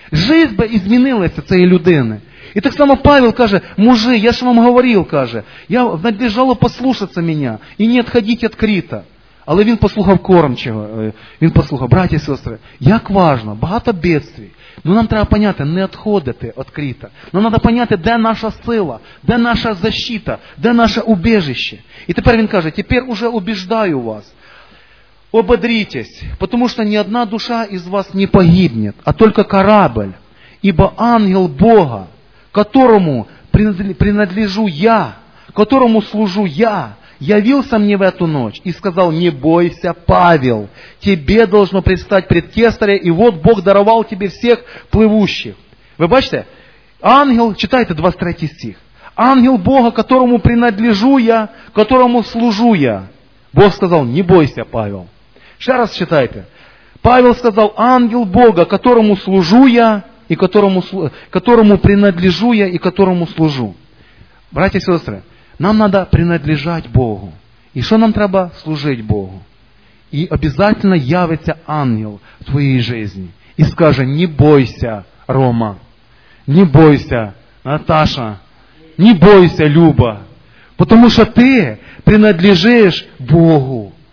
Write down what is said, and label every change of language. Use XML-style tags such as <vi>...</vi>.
<uk>Життя би і змінилася цієї людини. І так само Павел каже, мужи, я ж вам говорив, каже, я надлежало послухатися мене і не відходити від Крита. Але він послухав кормчого, він послухав, браті і сестри, як важливо, багато бідствій. Ну, нам треба поняти, не відходити відкрито. Нам треба поняти, де наша сила, де наша защита, де наше убежище. І тепер він каже, тепер уже убіждаю вас, ободрітесь, тому що ні одна душа із вас не погибне, а тільки корабель,</uk> <ru>ібо ангел Бога, которому принадлежу я, которому служу я, явился мне в эту ночь и сказал, не бойся, Павел, тебе должно предстать пред Кесаря, и вот Бог даровал тебе всех плывущих. Вы бачите? Ангел, читайте 23 стих. Ангел Бога, которому принадлежу я, которому служу я. Бог сказал, не бойся, Павел. Еще раз читайте. Павел сказал, ангел Бога, которому служу я, и которому принадлежу я, и которому служу. Братья и сестры,</ru> <uk>нам треба принадлежати Богу. І що нам треба? Служити Богу. І обов'язково явиться ангел в твоїй житті. І скаже, не бойся, Рома. Не бойся, Наташа. Не бойся, Люба. Тому що ти принадлежиш Богу.</uk>